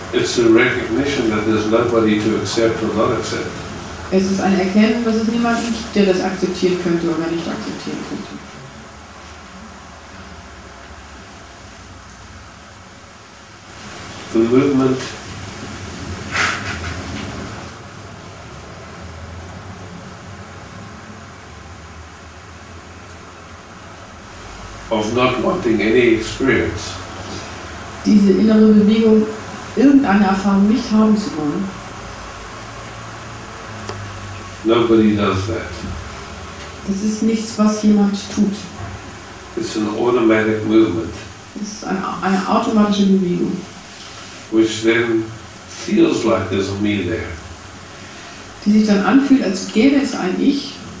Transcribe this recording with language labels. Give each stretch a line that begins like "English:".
English: It's a recognition that there's nobody to accept or not accept.
German: Es ist ein Erkennen, dass es niemand gibt, der das akzeptieren könnte oder nicht akzeptieren könnte.
English: The movement of not wanting any experience.
German: Diese innere Bewegung, irgendeine Erfahrung nicht haben zu wollen.
English: Nobody does that.
German: Das ist nichts, was jemand tut.
English: It's an automatic movement.
German: Es ist eine automatische Bewegung.
English: Which then feels like there's a me there.
German: Die sich dann anfühlt, als gäbe es ein Ich.